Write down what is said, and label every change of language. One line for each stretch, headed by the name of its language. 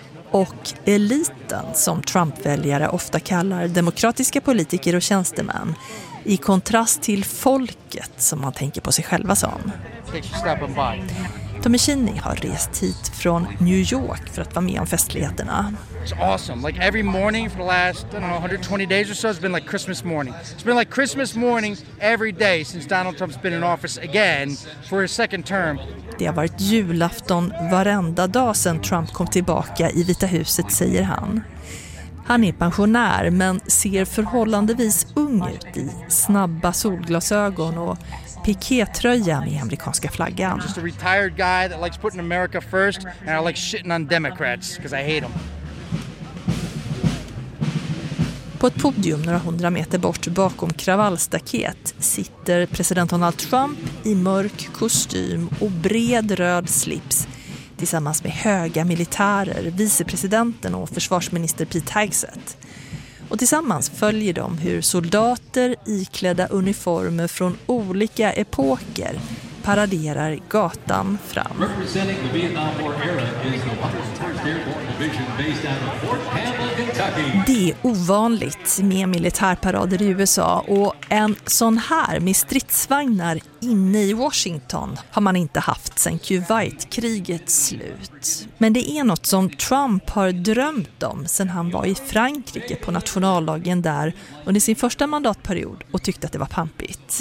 Swedish: Och eliten, som Trump-väljare ofta kallar demokratiska politiker och tjänstemän, i kontrast till folket som man tänker på sig själva som. Tommy Cheney har rest hit från New York för att vara med om festligheterna.
English: It's awesome. Like every morning for the last, I don't know, 120 days or so, it's been like Christmas morning. It's been like Christmas morning every day since Donald Trump's been in office again for his second term.
Swedish: Det har varit julafton varenda dag sedan Trump kom tillbaka i Vita huset, säger han. Han är pensionär men ser förhållandevis ung ut i snabba solglasögon och pikétröja med amerikanska flaggan.
English: Just a retired guy that likes putting America first and I like shitting on Democrats because I hate them.
Swedish: På ett podium några hundra meter bort bakom kravallstaket sitter president Donald Trump i mörk kostym och bred röd slips tillsammans med höga militärer, vicepresidenten och försvarsminister Pete Hegseth. Och tillsammans följer de hur soldater iklädda uniformer från olika epoker paraderar gatan fram.
English: Representing the Vietnam War era is the 101st Airborne Division based out of Fort Campbell, Kentucky.
Swedish: Det är ovanligt med militärparader i USA och en sån här med stridsvagnar inne i Washington har man inte haft sedan Kuwaitkrigets slut. Men det är något som Trump har drömt om sedan han var i Frankrike på nationaldagen där under sin första mandatperiod och tyckte att det var pampigt.